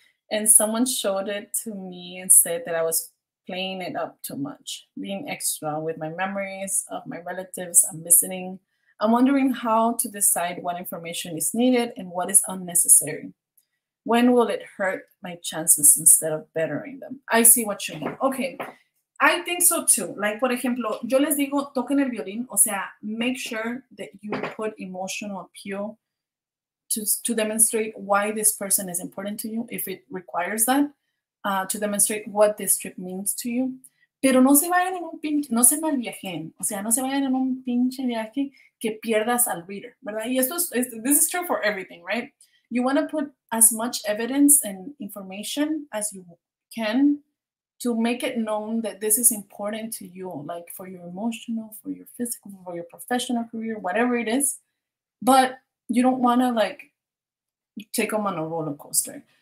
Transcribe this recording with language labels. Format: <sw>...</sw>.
<en>And someone showed it to me and said that I was playing it up too much, being extra with my memories of my relatives I'm visiting. I'm wondering how to decide what information is needed and what is unnecessary. When will it hurt my chances instead of bettering them? I see what you mean. Okay, I think so too.</en> <es>Like, por ejemplo, yo les digo, toquen el violín. O sea,</es> <en>make sure that you put emotional appeal to demonstrate why this person is important to you, if it requires that, to demonstrate what this trip means to you.</en> <es>Pero no se vayan en un pinche, no se malviajen. O sea, no se vayan en un pinche viaje que pierdas al reader, ¿verdad? Y esto es,</es> <en>this is true for everything, right? You want to put as much evidence and information as you can to make it known that this is important to you, like for your emotional, for your physical, for your professional career, whatever it is. But you don't want to like take them on a roller coaster.</en>